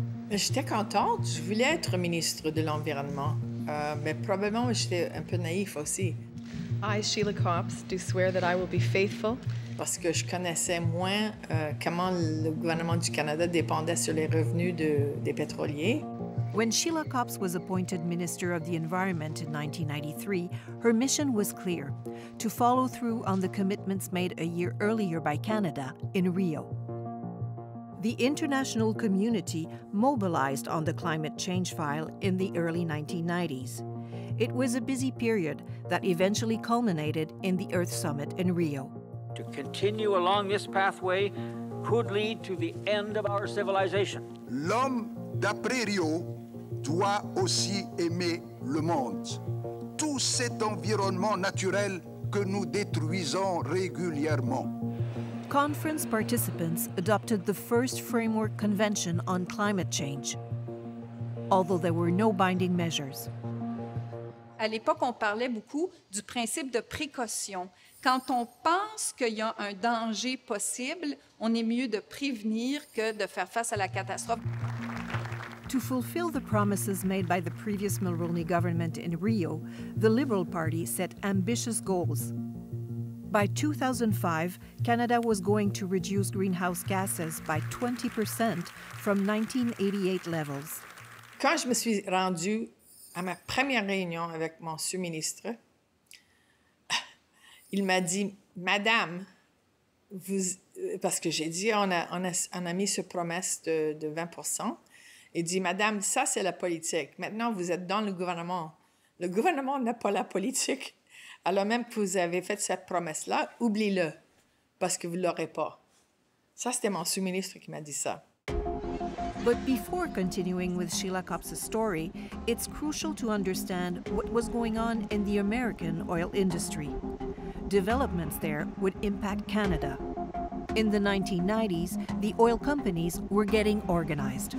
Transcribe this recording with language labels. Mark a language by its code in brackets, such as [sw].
[fr] J'étais contente, je voulais être ministre de l'Environnement, mais probablement j'étais un peu naïf aussi. [en] I, Sheila Copps, do swear that I will be faithful. [fr] Parce que je connaissais moins comment le gouvernement du Canada dépendait sur les revenus des pétroliers. [en] When Sheila Copps was appointed Minister of the Environment in 1993, her mission was clear, to follow through on the commitments made a year earlier by Canada in Rio. The international community mobilized on the climate change file in the early 1990s. It was a busy period that eventually culminated in the Earth Summit in Rio. To continue along this pathway could lead to the end of our civilization. [fr] L'homme, d'après Rio, doit aussi aimer le monde. Tout cet environnement naturel que nous détruisons régulièrement. [en] Conference participants adopted the first framework convention on climate change, although there were no binding measures. [fr] À l'époque, on parlait beaucoup du principe de précaution. Quand on pense qu'il y a un danger possible, on est mieux de prévenir que de faire face à la catastrophe. [en] To fulfill the promises made by the previous Mulroney government in Rio, the Liberal Party set ambitious goals. By 2005, Canada was going to reduce greenhouse gases by 20% from 1988 levels. [fr] Quand je me suis rendue à ma première réunion avec mon sous-ministre, il m'a dit, Madame, vous, parce que j'ai dit, on a mis ce promesse de 20%, il dit, Madame, ça c'est la politique. Maintenant, vous êtes dans le gouvernement. Le gouvernement n'a pas la politique. Alors même que vous avez fait cette promesse-là, oubliez-le, parce que vous ne l'aurez pas. Ça, c'était mon sous-ministre qui m'a dit ça. [en] But before continuing with Sheila Copps' story, it's crucial to understand what was going on in the American oil industry. Developments there would impact Canada. In the 1990s, the oil companies were getting organized.